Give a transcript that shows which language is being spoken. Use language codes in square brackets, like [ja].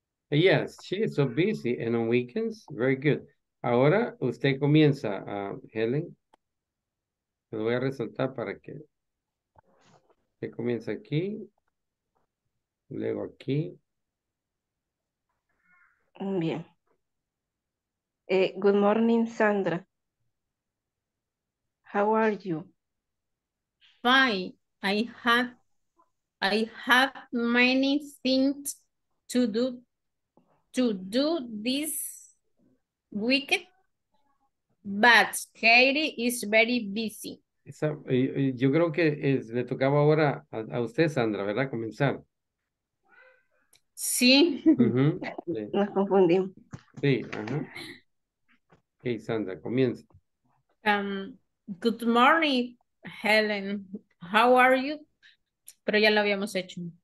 [en] Yes, she is so busy and on weekends. Very good. [es] Ahora usted comienza, Helen. Lo voy a resaltar para que usted comience aquí. Luego aquí. [en] Bien. Good morning, Sandra. How are you? Fine. I have many things to do this weekend, but Katie is very busy. [es] Esa, yo creo que es, le tocaba ahora a usted, Sandra, ¿verdad? Comenzar. Sí. Uh-huh. Sí. Nos confundimos. Sí, ajá. Okay, Sandra, comienza. [en] Good morning, Helen. How are you? [es] Pero ya lo habíamos hecho.